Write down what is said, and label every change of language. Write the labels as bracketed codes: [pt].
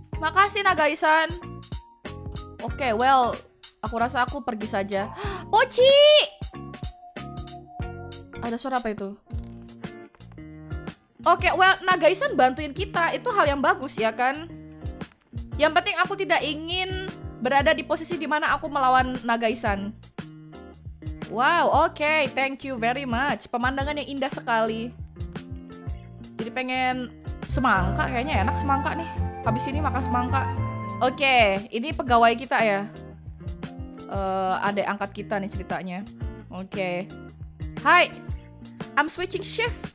[id] Makasih Nagai-san. Oke, well, aku rasa aku pergi saja. Pochi! Ada suara apa itu? Oke, well, Nagai-san bantuin kita itu hal yang bagus ya kan? Yang penting aku tidak ingin berada di posisi di mana aku melawan Nagai-san. [en] Wow, oke, thank you very much. [id] Pemandangannya indah sekali. Jadi pengen semangka, kayaknya enak semangka nih. Habis ini makan semangka. Oke, ini pegawai kita ya. Adik angkat kita nih ceritanya. Oke. Hai. [en] I'm switching shift.